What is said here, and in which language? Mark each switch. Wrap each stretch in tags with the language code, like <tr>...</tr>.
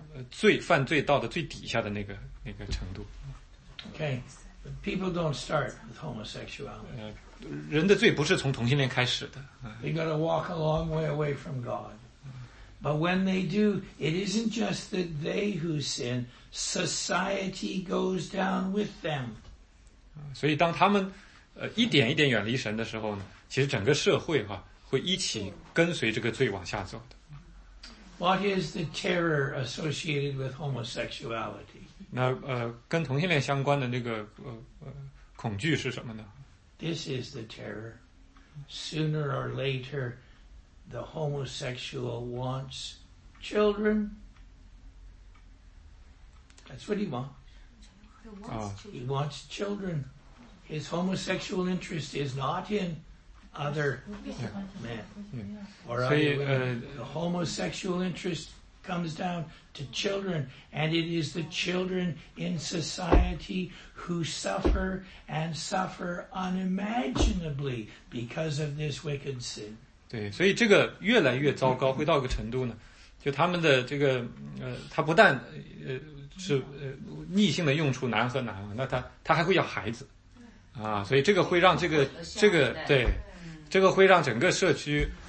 <zh>罪犯罪到的最底下的那个程度。</zh> <en>Okay, people don't start with homosexuality.</en> <zh>人的罪不是从同性恋开始的。</zh> <en>They got to walk a long way away from God. But when they do, it isn't just that they who sin, society goes down with them.</en> <zh>所以当他们一点一点远离神的时候呢，其实整个社会哈、会一起跟随这个罪往下走的。</zh> <en>What is the terror associated with homosexuality?</en> <zh>那跟同性恋相关的那个恐惧是什么呢？</zh> <en>This is the terror. Sooner or later, the homosexual wants children. That's what he wants. He wants children. His homosexual interest is not in other men. Or other women. The homosexual interest comes down to children, and it is the children in society who suffer and suffer unimaginably because of this wicked sin.</en> <zh>对，所以这个越来越糟糕，会到一个程度呢，就他们的这个他不但是逆性的用处难和难，那他还会要孩子啊，所以这个会让这个对，这个会让整个社区。</zh>